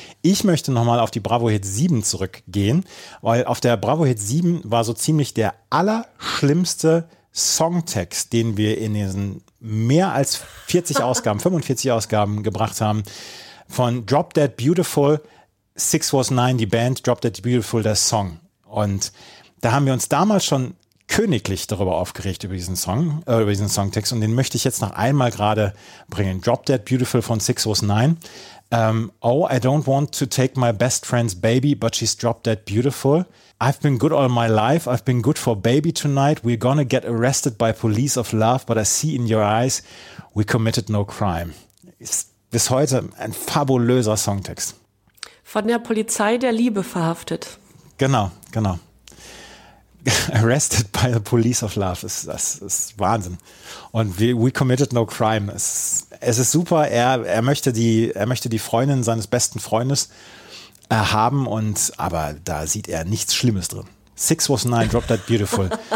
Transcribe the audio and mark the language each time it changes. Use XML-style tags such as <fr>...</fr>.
<de>Ich möchte nochmal auf die Bravo Hit 7 zurückgehen, weil auf der Bravo Hit 7 war so ziemlich der allerschlimmste Songtext, den wir in diesen mehr als 40 Ausgaben, 45 Ausgaben gebracht haben, von Drop Dead Beautiful, Six Was Nine, die Band, Drop Dead Beautiful, der Song. Und da haben wir uns damals schon königlich darüber aufgeregt, über diesen Song, über diesen Songtext. Und den möchte ich jetzt noch einmal gerade bringen. Drop Dead Beautiful von Six Was Nine.</de> <en>Oh, I don't want to take my best friend's baby, but she's drop dead beautiful. I've been good all my life. I've been good for baby tonight. We're gonna get arrested by police of love, but I see in your eyes, we committed no crime.</en> <de>Ist bis heute ein fabulöser Songtext. Von der Polizei der Liebe verhaftet. Genau.</de> <en>Arrested by the police of love.</en> <de>Das ist Wahnsinn. Und</de> <en>we committed no crime.</en> <de>Es ist super. Er möchte die Freundin seines besten Freundes haben, und aber da sieht er nichts Schlimmes drin. Six Was Nine, Drop That Beautiful.</de>